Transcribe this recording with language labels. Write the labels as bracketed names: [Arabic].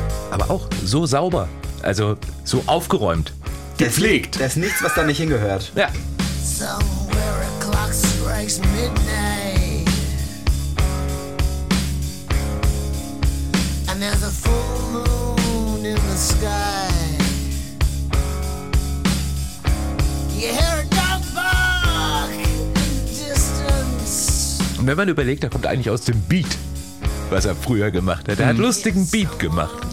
[German] Aber auch so sauber. Also so aufgeräumt. Gepflegt. Da ist nichts, was da nicht hingehört. Ja. [English] Somewhere a clock strikes midnight. There's a full moon in the sky. You hear a dog bark in the distance. [German] Und wenn man überlegt, er kommt eigentlich aus dem Beat, was er früher gemacht hat. Er hat lustigen Beat gemacht.